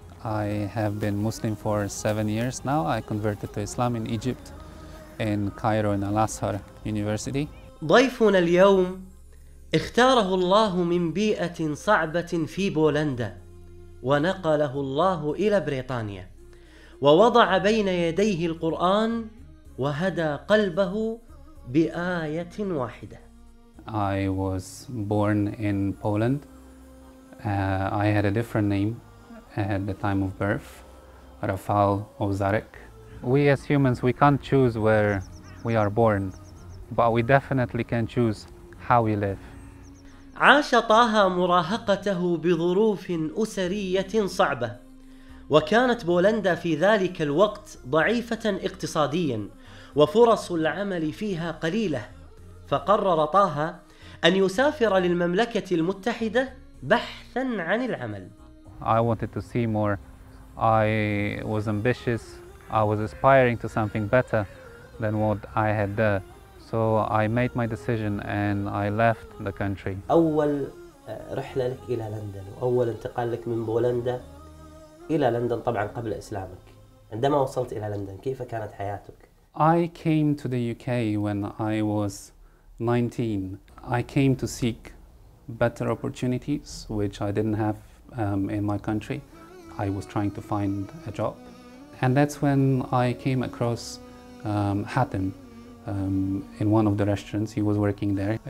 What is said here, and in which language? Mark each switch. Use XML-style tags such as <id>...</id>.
<en>I have been Muslim for 7 years now. I converted to Islam in Egypt, in Cairo, in Al-Azhar University.</en> <ar>ضيفنا اليوم اختاره الله من بيئة صعبة في بولندا ونقله الله إلى بريطانيا ووضع بين يديه القرآن وهدى قلبه بآية واحدة.</ar> <en>I was born in Poland. I had a different name at the time of birth, Rafał Ozarek. We as humans, we can't choose where we are born, but we definitely can choose how we live.</en> <ar>عاش طه مراهقته بظروف أسرية صعبة وكانت بولندا في ذلك الوقت ضعيفة اقتصاديا وفرص العمل فيها قليلة فقرر طه أن يسافر للمملكة المتحدة بحثا عن العمل.</ar> <en>I wanted to see more. I was ambitious. I was aspiring to something better than what I had there. So I made my decision and I left the country.</en> <ar>أول رحلة لك إلى لندن وأول انتقال لك من بولندا إلى لندن طبعا قبل إسلامك. عندما وصلت إلى لندن كيف كانت حياتك؟</ar> <en>I came to the UK when I was 19. I came to seek better opportunities, which I didn't have in my country. I was trying to find a job. And that's when I came across Hatem in one of the restaurants. He was working there.</en>